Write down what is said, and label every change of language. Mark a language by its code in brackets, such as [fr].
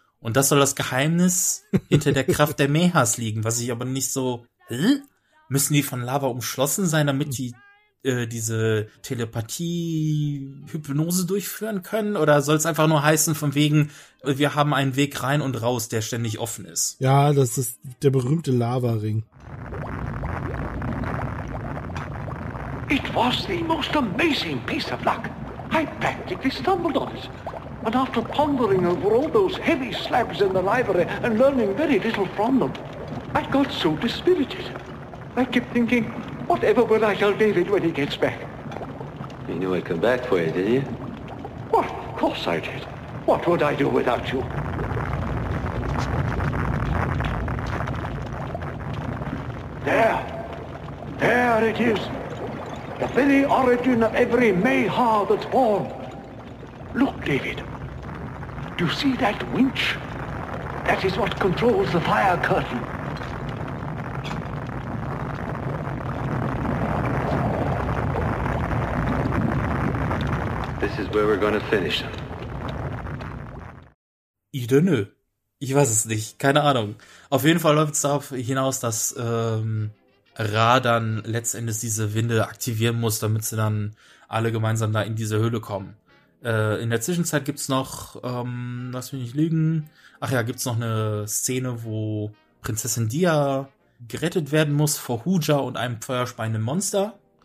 [de] Und das soll das Geheimnis hinter der Kraft der Mehas liegen, was ich aber nicht so, müssen die von Lava umschlossen sein, damit die diese Telepathie-Hypnose durchführen können? Oder soll es einfach nur heißen, von wegen, wir haben einen Weg rein und raus, der ständig offen ist? Ja, das ist der berühmte Lava-Ring. [en] It was the most amazing piece of luck. I practically stumbled on it. And after pondering over all those heavy slabs in the library and learning very little from them, I got so dispirited. I kept thinking, whatever will I tell David when he gets back? You knew I'd come back for you, didn't you? Well, of course I did. What would I do without you? There. There it is. The very origin of every Maha that's born. Look, David. Do you see that winch? That is what controls the fire curtain. This is where we're going to finish them. [de] Ich [en] don't know. [de] Ich weiß es nicht. Keine Ahnung. Auf jeden Fall läuft es darauf hinaus, dass Ra dann letztendlich diese Winde aktivieren muss, damit sie dann alle gemeinsam da in diese Höhle kommen. In der Zwischenzeit gibt's noch, lass mich nicht lügen, ach ja, gibt's noch eine Szene, wo Prinzessin Dia gerettet werden muss vor Huja und einem feuerspeienden Monster.